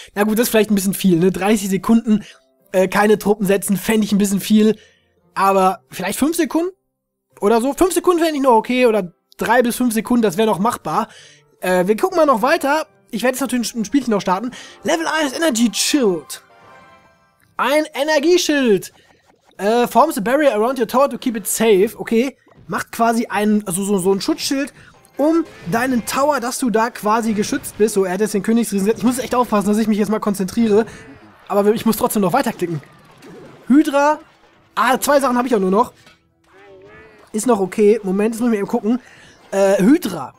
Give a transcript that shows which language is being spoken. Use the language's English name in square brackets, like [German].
[German] Na gut, das ist vielleicht ein bisschen viel, ne? 30 Sekunden, keine Truppen setzen, fände ich ein bisschen viel. Aber vielleicht 5 Sekunden? Oder so? 5 Sekunden fände ich noch okay, oder 3 bis 5 Sekunden, das wäre noch machbar. Wir gucken mal noch weiter. Ich werde jetzt natürlich ein Spielchen noch starten. Level 1 Energy Shield. Ein Energieschild. [English] Forms a barrier around your tower to keep it safe. [German] Okay, macht quasi so ein Schutzschild um deinen Tower, dass du da quasi geschützt bist. So, er hat jetzt den Königsriesen gesetzt. Ich muss echt aufpassen, dass ich mich jetzt mal konzentriere. Aber ich muss trotzdem noch weiterklicken. Hydra. Ah, zwei Sachen habe ich auch nur noch. Ist noch okay. Moment, jetzt muss ich mir eben gucken. Hydra.